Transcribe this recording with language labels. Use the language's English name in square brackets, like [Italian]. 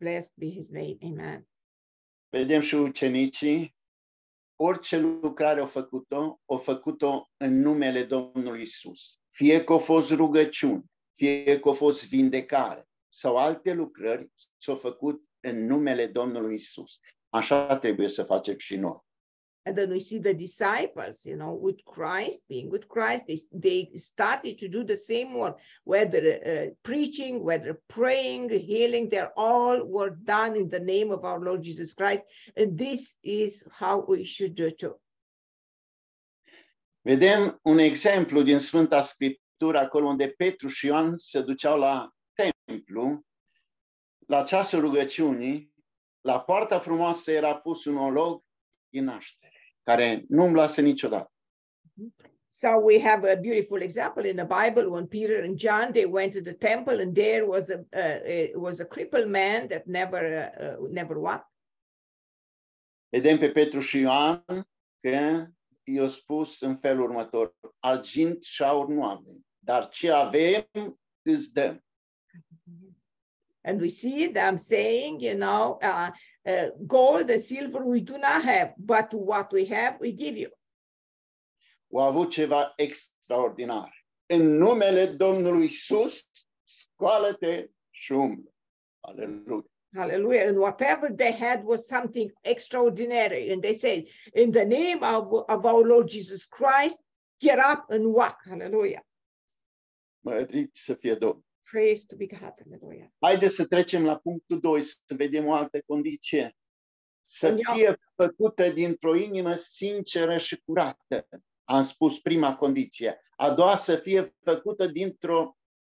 [English] Blessed be his name. Amen. [Romanian] Vedem și ucenicii, orice lucrare o făcut-o în numele Domnului Isus. Fie că a fost rugăciune, fie că a fost vindecare, sau alte lucrări s-au făcut în numele Domnului Isus. Așa trebuie să facem și noi. [English] And then we see the disciples, you know, with Christ, being with Christ, they started to do the same work, whether preaching, whether praying, healing, they're all were done in the name of our Lord Jesus Christ. And this is how we should do it too. [Romanian] Vedem un exemplu din Sfânta Scriptură, acolo unde Petru și Ioan se duceau la templu, la ceasul rugăciunii, la poarta frumoasă era pus un olog din naștere, care nu umblase niciodată. [English] So we have a beautiful example in the Bible when Peter and John, they went to the temple and there was a crippled man that never walked. [Romanian] Vedem pe Petru și Ioan că i-au spus în felul următor, argint și aur nu avem, dar ce avem îți dăm. [English] And we see them saying, you know, gold and silver we do not have, but what we have, we give you. [Romanian] Au avut ceva extraordinar. În numele Domnului Iisus, scoală-te și umblă. Aleluia. [English] Hallelujah. And whatever they had was something extraordinary. And they said, in the name of our Lord Jesus Christ, get up and walk. Hallelujah. [Romanian] Mărit să fie Domnul. [English] Praise to be God. Hallelujah. [Romanian] Haideți să trecem la punctul 2, să vedem o altă condiție. Să fie făcută dintr-o inimă sinceră și curată. Am spus prima condiție. A doua, să fie făcută dintr-o...